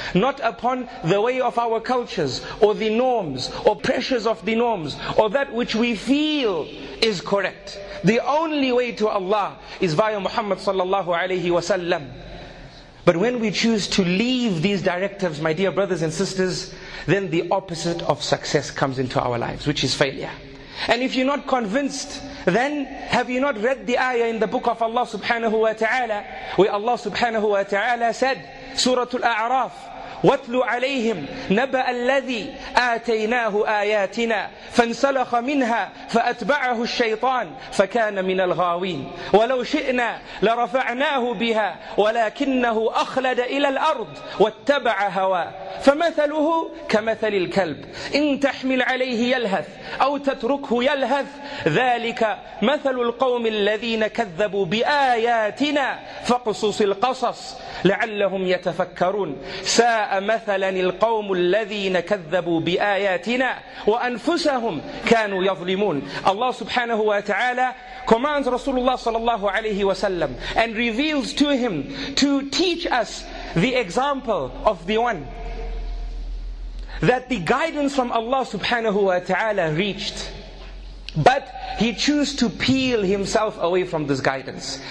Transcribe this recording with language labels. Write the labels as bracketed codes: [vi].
[en] Not upon the way of our cultures, or the norms, or pressures of the norms, or that which we feel is correct. The only way to Allah is via Muhammad sallallahu alayhi wa sallam. But when we choose to leave these directives, my dear brothers and sisters, then the opposite of success comes into our lives, which is failure. And if you're not convinced, then have you not read the ayah in the book of Allah subhanahu wa ta'ala, where Allah subhanahu wa ta'ala said, Suratul A'raf, [ar] وَاتْلُ عَلَيْهِمْ نَبَأَ الَّذِي آتَيْنَاهُ آيَاتِنَا فَانْسَلَخَ مِنْهَا فَأَتْبَعَهُ الشَّيْطَانُ فَكَانَ مِنَ الْغَاوِينَ وَلَوْ شِئْنَا لَرَفَعْنَاهُ بِهَا وَلَكِنَّهُ أَخْلَدَ إِلَى الْأَرْضِ وَاتَّبَعَ هَوَاهُ فَمَثَلُهُ كَمَثَلِ الْكَلْبِ إِنْ تَحْمِلْ عَلَيْهِ يَلْهَثْ أَوْ تَتْرُكْهُ يَلْهَثْ ذَلِكَ مَثَلُ الْقَوْمِ الَّذِينَ كَذَّبُوا بِآيَاتِنَا فَاقْصُصِ الْقَصَصَ لَعَلَّهُمْ يَتَفَكَّرُونَ مثلا القوم الذين كذبوا بآياتنا وأنفسهم كانوا يظلمون. [en] Allah subhanahu wa ta'ala commands Rasulullah sallallahu alayhi wa sallam and reveals to him to teach us the example of the one that the guidance from Allah subhanahu wa ta'ala reached, but he chose to peel himself away from this guidance.